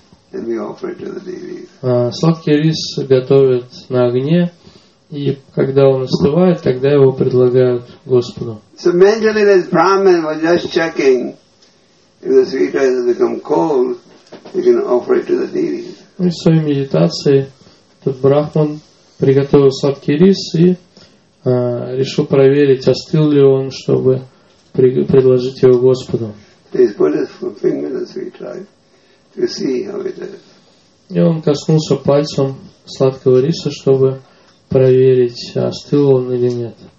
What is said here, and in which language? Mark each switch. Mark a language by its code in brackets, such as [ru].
[ru] Сладкий рис готовят на огне, и когда он остывает, тогда его предлагают Господу. [en] So mentally this Brahmin was just checking if the sweet rice has become cold, he can offer it to the deities. [ru] И в своей медитации этот брахман приготовил сладкий рис и решил проверить, остыл ли он, чтобы предложить его Господу. И он коснулся пальцем сладкого риса, чтобы проверить, остыл он или нет.